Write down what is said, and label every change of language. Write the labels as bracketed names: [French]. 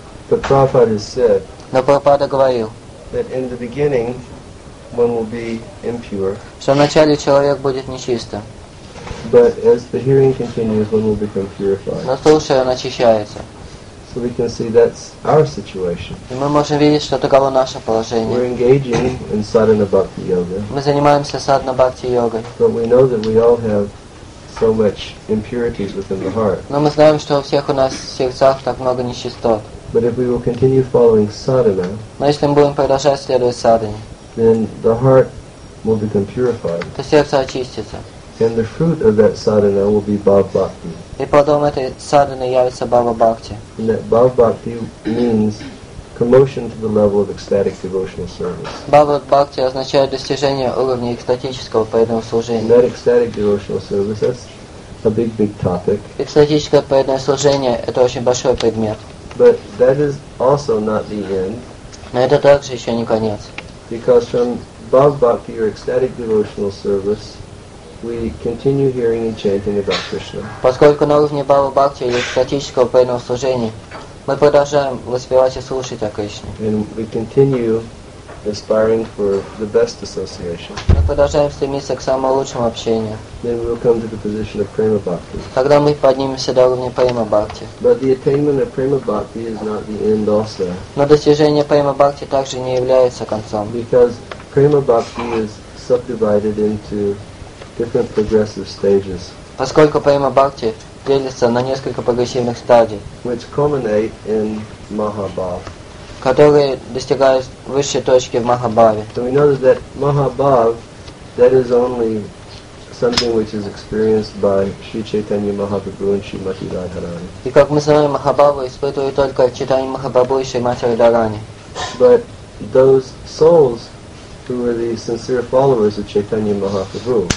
[English] But Prabhupada has said, [Russian] но Прабхупада говорил, [English] that in the beginning one will be impure. [Russian] Что вначале человек будет нечистым. [English] But as the hearing continues, one will become purified. [Russian] Но слушая, он очищается. [English] So we can see that's our situation. [Russian] И мы можем видеть, что таково наше положение. [English] We're engaging in sadhana bhakti yoga. [Russian] Мы занимаемся садхана бхакти йогой. [English] But we know that we all have so much impurities within the heart. [Russian] Но мы знаем, что у всех у нас в сердцах так много нечистот. [English] But if we will continue following sadhana, [Russian] но если мы будем продолжать следовать садхане, [English] then the heart will become purified. [Russian] То сердце очистится. [English] And the fruit of that sadhana will be bhava bhakti. [Russian] И плодом этой садханы явится бхава бхакти. [English] And that bhava bhakti means promotion to the level of ecstatic devotional service. [Russian] Bhava bhakti означает достижение уровня экстатического преданного служения. [English] And that ecstatic devotional service, that's a big topic. [Russian] Экстатическое преданное служение – это очень большой предмет. [English] But that is also not the end. [Russian] Но это также еще не конец. [English] Because from bhava bhakti or ecstatic devotional service, we continue hearing and chanting about Krishna. [Russian] Поскольку на уровне бхава бхакти или экстатического преданного служения мы продолжаем воспевать и слушать о Кришне. [English] And we continue aspiring for the best association. [Russian] Мы продолжаем стремиться к самому лучшему общению. [English] Then we'll come to the position of prema bhakti. [Russian] Тогда мы поднимемся до уровня prema bhakti. [English] But the attainment of prema bhakti is not the end also. [Russian] Но достижение prema bhakti также не является концом. [English] Because prema bhakti is subdivided into different progressive stages. [Russian] Поскольку према бхакти делится на несколько прогрессивных стадий, [English] which culminate in Mahabhav, [Russian] которые достигают высшей точки в Махабхаве. [English] So we know that Mahabhav, that is only something which is experienced by Sri Chaitanya Mahaprabhu and Srimati Radharani. [Russian] И как мы знаем, Махабхава испытывает только Чайтанья Махапрабху и Шримати Радхарани. [English] But those souls who are the sincere followers of Chaitanya Mahaprabhu,